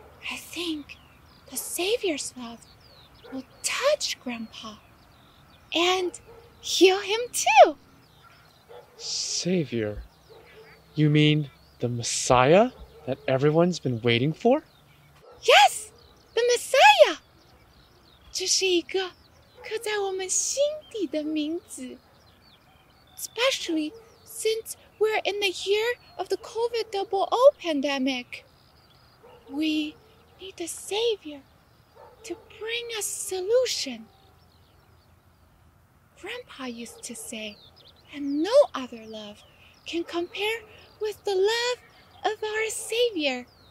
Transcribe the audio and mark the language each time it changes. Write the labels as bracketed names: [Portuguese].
[English] I think the savior's love will touch grandpa and heal him too. Savior? You mean the Messiah that everyone's been waiting for? Yes, the Messiah! [Chinese] 这是一个刻在我们心底的名字。 [English] Especially since we're in the year of the COVID-00 pandemic. We need a Savior to bring a solution. Grandpa used to say, and no other love can compare with the love of our Savior.